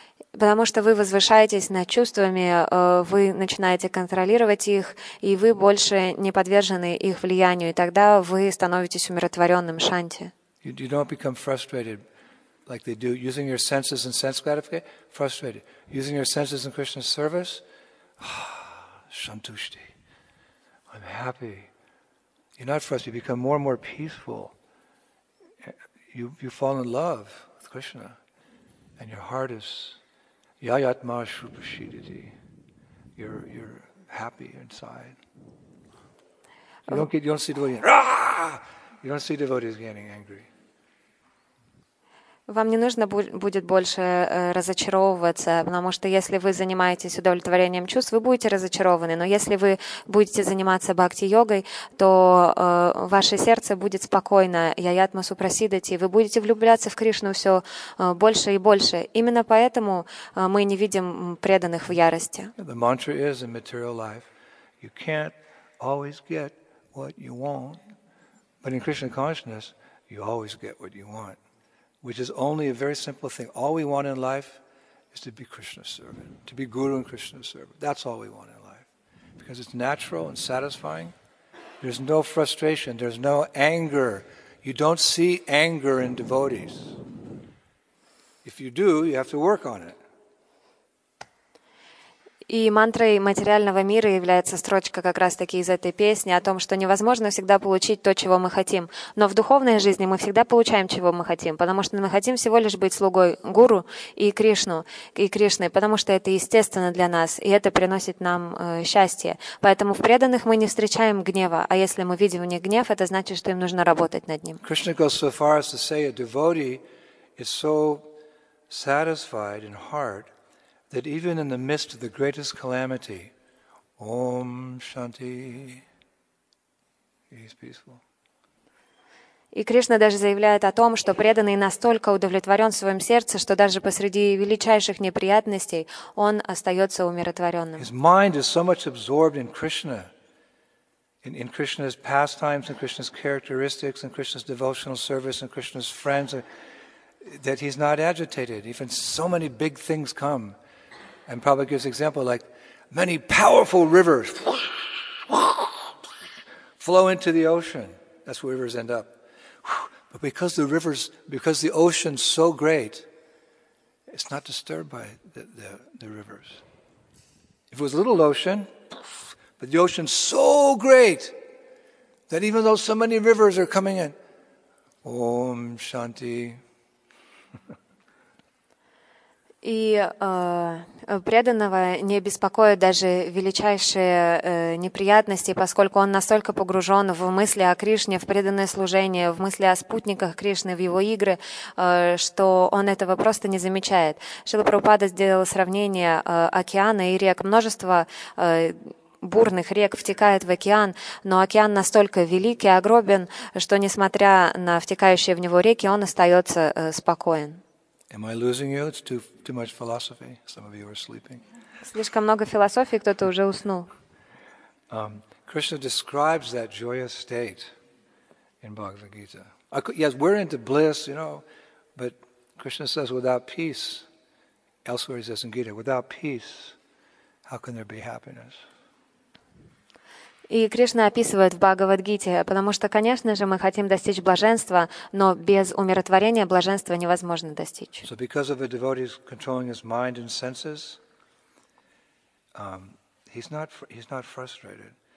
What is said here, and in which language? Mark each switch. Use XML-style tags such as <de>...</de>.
<ru>Потому что вы возвышаетесь над чувствами, вы начинаете контролировать их, и вы больше не подвержены их влиянию, и тогда вы становитесь умиротворенным, шанти.</ru> <en>You don't become frustrated like they do, using your senses and sense gratification, frustrated. Using your senses in Krishna's service, shantushti, I'm happy. You're not frustrated, you become more and more peaceful. You fall in love with Krishna, and your heart is</en> <sa>Yayatma Shupashidati.</sa> <en>You're happy inside. You don't see devotees getting angry.</en> <ru>Вам не нужно будет больше разочаровываться, потому что если вы занимаетесь удовлетворением чувств, вы будете разочарованы. Но если вы будете заниматься бхакти-йогой, то ваше сердце будет спокойно,</ru> <sa>яятма супрасидати,</sa> <ru>вы будете влюбляться в Кришну все больше и больше. Именно поэтому мы не видим преданных в ярости.</ru> <en>The mantra is in material life, you can't always get what you want, but in Krishna consciousness, you always get what you want. Which is only a very simple thing. All we want in life is to be Krishna's servant, to be Guru and Krishna's servant. That's all we want in life. Because it's natural and satisfying. There's no frustration, there's no anger. You don't see anger in devotees. If you do, you have to work on it.</en> <ru>И мантрой материального мира является строчка как раз-таки из этой песни о том, что невозможно всегда получить то, чего мы хотим. Но в духовной жизни мы всегда получаем, чего мы хотим, потому что мы хотим всего лишь быть слугой Гуру и Кришну, и Кришны, потому что это естественно для нас, и это приносит нам счастье. Поэтому в преданных мы не встречаем гнева, а если мы видим в них гнев, это значит, что им нужно работать над ним.</ru> <en>Krishna goes so far as to say, a devotee is so satisfied in heart that even in the midst of the greatest calamity, Om Shanti, he's peaceful.</en> <ru>И Кришна даже заявляет о том, что преданный настолько удовлетворен в своем сердце, что даже посреди величайших неприятностей он остается умиротворенным.</ru> <en>His mind is so much absorbed in Krishna, in Krishna's pastimes, in Krishna's characteristics, in Krishna's devotional service, in Krishna's friends, that he's not agitated. Even so many big things come. And Prabhupada gives example like many powerful rivers flow into the ocean. That's where rivers end up. But because the ocean's so great, it's not disturbed by the rivers. If it was a little ocean, but the ocean's so great that even though so many rivers are coming in, Om Shanti.</en> <ru>И преданного не беспокоят даже величайшие неприятности, поскольку он настолько погружен в мысли о Кришне, в преданное служение, в мысли о спутниках Кришны, в его игры, что он этого просто не замечает. Шрила Прабхупада сделал сравнение океана и рек. Множество бурных рек втекает в океан, но океан настолько велик и огромен, что, несмотря на втекающие в него реки, он остается спокоен.</ru> <en>Am I losing you? It's too much philosophy. Some of you are sleeping.</en> <ru>Слишком много философии, кто-то уже уснул.</ru> <en>Krishna describes that joyous state in Bhagavad Gita. Yes, we're into bliss, you know, but Krishna says without peace, elsewhere he says in Gita, without peace, how can there be happiness?</en> <ru>И Кришна описывает в Бхагавад-гите, потому что, конечно же, мы хотим достичь блаженства, но без умиротворения блаженства невозможно достичь.</ru> <en>So because of a devotee's controlling his mind and senses, he's not frustrated.</en>